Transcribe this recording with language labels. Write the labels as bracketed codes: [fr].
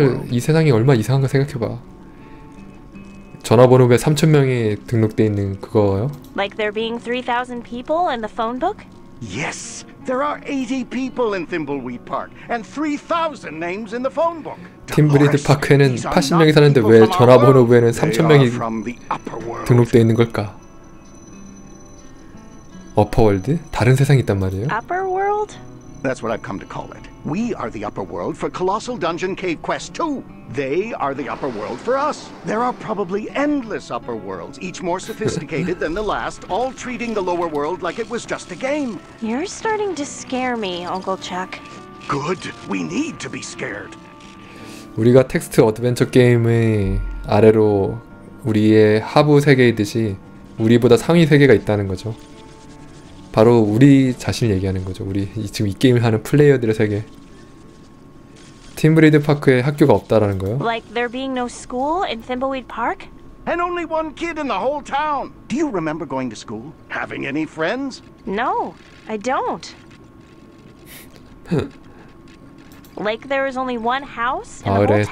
[ko] 이 세상이 얼마 이상한가 생각해봐. 전화번호 왜 3천 명이 등록돼 있는 그거요? [en] Like there being 3,000 people in the phone book? Yes, there are 80 people in Thimbleweed Park and 3,000 names in the phone book. [ko] 팀블위드 파크에는 80명이 사는데 왜 전화번호 외에는 3천 명이 등록돼 있는 걸까? 어퍼월드? 다른 세상이 있단 말이에요? [en] Upper world? That's what I've come to call it. We are the upper world for Colossal Dungeon Cave Quest 2. They are the upper world for us. There are probably endless upper worlds, each more sophisticated than the last, all treating the lower world like it was just a game. You're starting to scare me, Uncle Chuck. Good. We need to be scared. [ko] 우리가 텍스트 어드벤처 게임의 아래로 우리의 하부 세계이듯이 우리보다 상위 세계가 있다는 거죠. 바로 우리 자신을 얘기하는 거죠. 우리 지금 이 게임을 하는 플레이어들의 세계. 팀블위드 파크에 학교가 없다라는 거예요? [en] Like there being no school in Thimbleweed Park? And only one kid in the whole town. Do you remember going to school? Having any friends? No, I don't. Like there is only one house in the whole town?